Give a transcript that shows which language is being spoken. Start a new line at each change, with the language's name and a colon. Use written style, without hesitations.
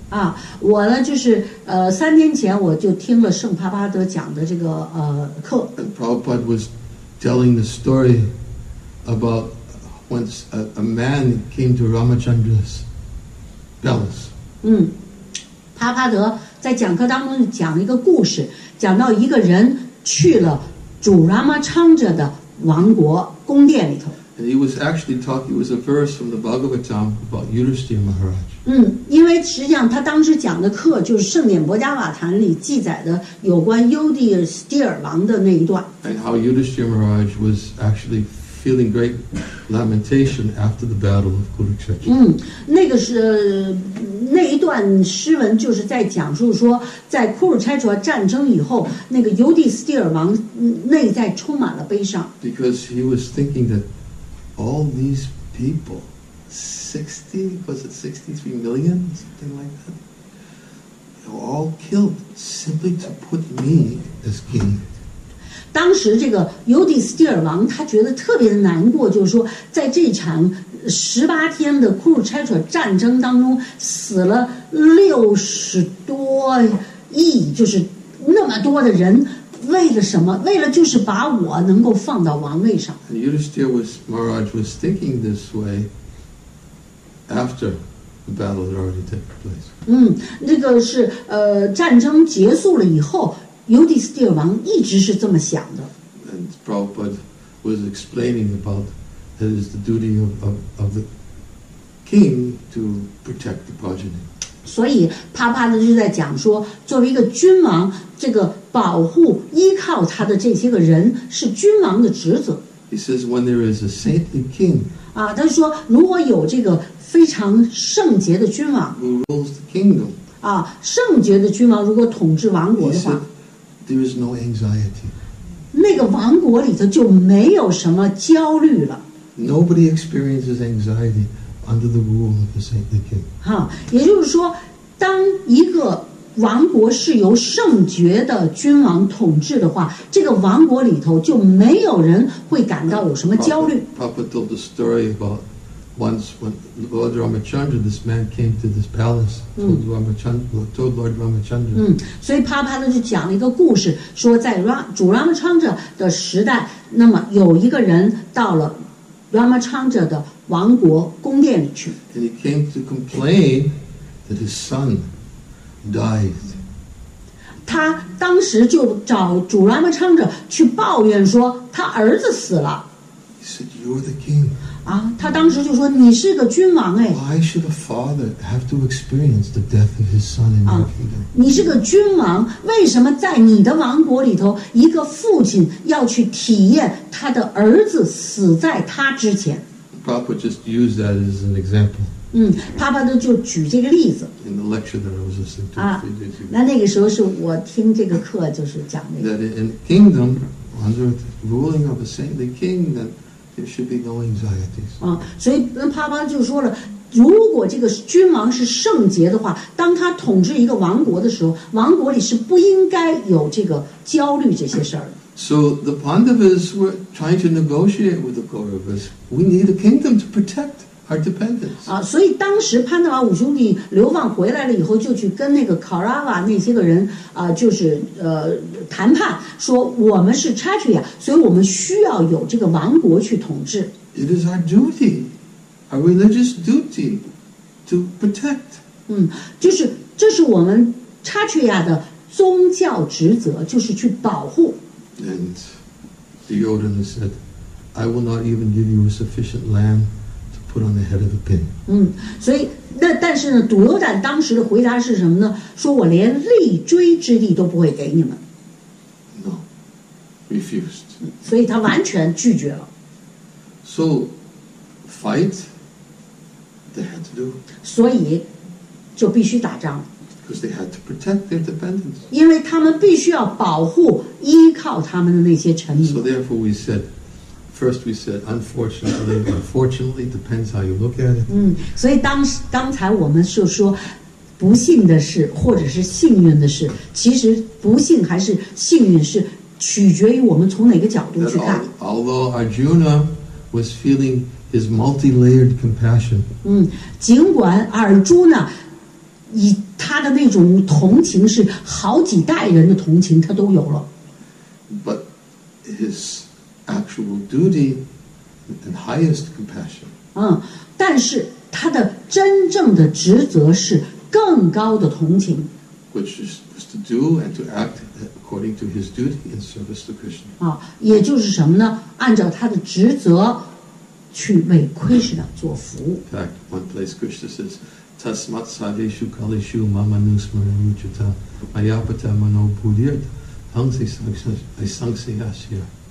Chinese: 啊，我呢就是三天前我就听了圣帕巴德讲的这个课。
English: And Prabhupada was telling the story about once a man came to Ramachandra's palace.
Chinese: 帕帕德在讲课当中讲一个故事，讲到一个人去了主拉玛昌哲的王国宫殿里头。
English: And he was actually talking, it was a verse from the Bhagavatam about Yudhishthira Maharaj.
Chinese: 因为实际上他当时讲的课就是圣典博迦瓦坛里记载的有关 Yudhishthira 王的那一段。
English: And how Yudhishthira Maharaj was actually feeling great lamentation after the battle of Kurukshetra.
Chinese: 那个是那一段诗文就是在讲述说在库鲁柴卓战争以后那个尤迪斯蒂尔王内在充满了悲伤。
English: Because he was thinking that all these people, 63 million, something like that, they were all killed simply to put me as king.
Chinese: 当时这个尤迪斯蒂尔王他觉得特别的难过，就是说在这场18天的库鲁柴卓战争当中死了60多亿，就是那么多的人，为了什么？为了就是把我能够放到王位上。
English: Yudhishthira was Maharaj was thinking this way after the battle had already taken place.
Chinese: 这个是战争结束了以后尤迪斯蒂尔王一直是这么想的。
English: And Prabhupada was explaining about that is the duty of the king to protect the progeny.
Chinese: 所以帕帕的就在讲说，作为一个君王，这个保护依靠他的这些个人是君王的职责。
English: He says when there is a saintly king.
Chinese: 啊，他说如果有这个非常圣洁的君王
English: ，who rules the kingdom.
Chinese: 啊，圣洁的君王如果统治王国的话。
English: There is no anxiety.
Chinese: 那个王国里头就没有什么焦虑了。
English: Nobody experiences anxiety under the rule of a saintly king.
Chinese: 也就是说，当一个王国是由圣洁的君王统治的话，这个王国里头就没有人会感到有什么焦虑。
English: Prabhupada told the story about once when Lord Ramachandra, this man came to this palace, told Lord Ramachandra.
Chinese: 所以帕帕的就讲了一个故事，说在主 Ramachandra 的时代，那么有一个人到了 Ramachandra 的王国宫殿里去。
English: And he came to complain that his son died.
Chinese: 他当时就找主 Ramachandra 去抱怨说他儿子死了。
English: He said, "You're the king."
Chinese: 他当时就说你是个君王哎。
English: Why should a father have to experience the death of his son in your kingdom?
Chinese: 你是个君王，为什么在你的王国里头，一个父亲要去体验他的儿子死在他之前？
English: Prabhupada just used that as an example.
Chinese: 帕帕德就举这个例子。
English: In the lecture that I was listening to.
Chinese: 那个时候是我听这个课就是讲那个。
English: That in kingdom, under the ruling of a saintly king, that there should be no anxieties.
Chinese: 所以帕帕就说了，如果这个君王是圣洁的话，当他统治一个王国的时候，王国里是不应该有这个焦虑这些事儿。
English: So the Pandavas were trying to negotiate with the Kauravas. We need a kingdom to protect our dependents.
Chinese: 所以当时潘德瓦五兄弟流放回来了以后，就去跟那个卡拉瓦那些个人就是谈判，说我们是差距呀，所以我们需要有这个王国去统治。
English: It is our duty, our religious duty, to protect.
Chinese: 就是这是我们查趣亚的宗教职责，就是去保护。
English: And the Yodan said, "I will not even give you a sufficient lamb to put on the head of a pin."
Chinese: 所以那但是呢，杜尤旦当时的回答是什么呢？说我连立锥之力都不会给你们。
English: No, refused.
Chinese: 所以他完全拒绝了。
English: So, fight. They had to do.
Chinese: 所以就必须打仗。
English: Because they had to protect their dependents.
Chinese: 因为他们必须要保护依靠他们的那些臣民。
English: So therefore, we said, first we said, unfortunately, unfortunately, depends how you look at it.
Chinese: 所以刚才我们就说，不幸的事或者是幸运的事，其实不幸还是幸运是取决于我们从哪个角度去看。
English: Although Arjuna was feeling his multi-layered compassion.
Chinese: 尽管尔朱呢，以他的那种同情是好几代人的同情，他都有了。
English: But his actual duty and highest compassion.
Chinese: 但是他的真正的职责是更高的同情。
English: Which is to do and to act according to his duty in service to Krishna.
Chinese: 也就是什么呢？按照他的职责去为 Krishna 做服务。
English: In fact, one place Krishna says. Tasmat sadeshu kaleshu mamanusmaranuchita mayapata manopudir tangsi sangsi sangsi asya.